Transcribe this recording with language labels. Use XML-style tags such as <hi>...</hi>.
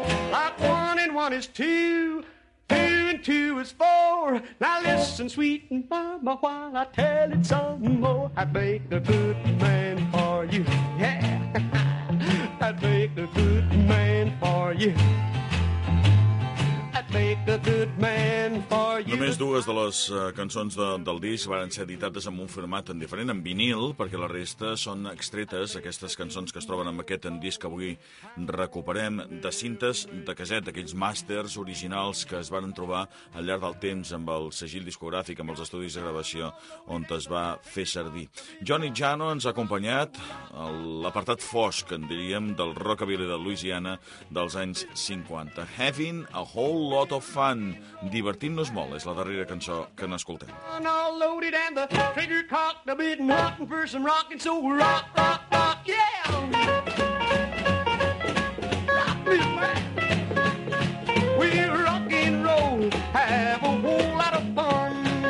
<en>Like one and one is two. Two and two is four. Now listen, sweet mama, while I tell it some more. I'd make a good man for you. Yeah. I'd make a good man for you. I'd make a good man for you.</en> <ca>Només dues de les cançons del disc varen ser editades amb un format en diferent, en vinil, perquè la resta són extretes, aquestes cançons que es troben amb aquest disc que avui recuperem, de cintes de caset, d'aquells màsters originals que es van trobar al llarg del temps amb el segell discogràfic, amb els estudis de gravació on es va fer servir. Johnny Jano ens ha acompanyat l'apartat fosc, en diríem, del rockabilly de Louisiana dels anys 50.</ca> <en>Having a whole lot of fun,</en> <ca>divertint-nos molt, és la darrera cançó que n'escoltem.</ca> <en>All loaded and the trigger cocked, a bit and hot for some rockin', so rock, rock, rock, yeah! Rock me, man! We'll rock and roll, have a whole lot of fun.</en>